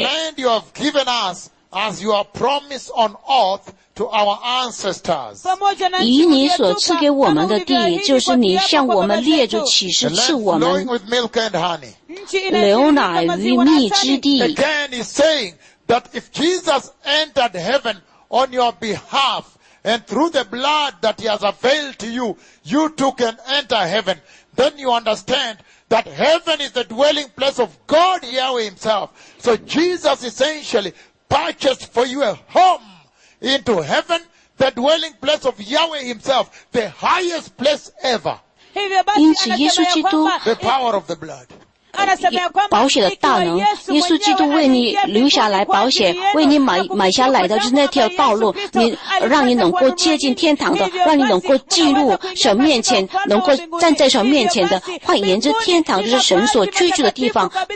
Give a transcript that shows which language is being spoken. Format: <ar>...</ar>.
<en>the land you have given us as your promise on earth to our ancestors.</en> <zh>以你所赐给我们的地, 就是你向我们列祖启示赐我们,</zh> <en>flowing with milk and honey.</en> <zh>流奶与蜜之地。</zh> <en>Again, he's saying that if Jesus entered heaven on your behalf and through the blood that he has availed to you, you too can enter heaven. Then you understand that heaven is the dwelling place of God Yahweh himself. So Jesus essentially purchased for you a home into heaven, the dwelling place of Yahweh himself, the highest place ever.</en> <zh>因此耶稣基督,</zh> <en>the power of the blood.</en> <zh>保险的大能, 耶稣基督为你留下来保险, 为你买下来的就是那条道路, 让你能够接近天堂的, 让你能够进入神面前, 能够站在神面前的, 换言之天堂就是神所居住的地方。</zh>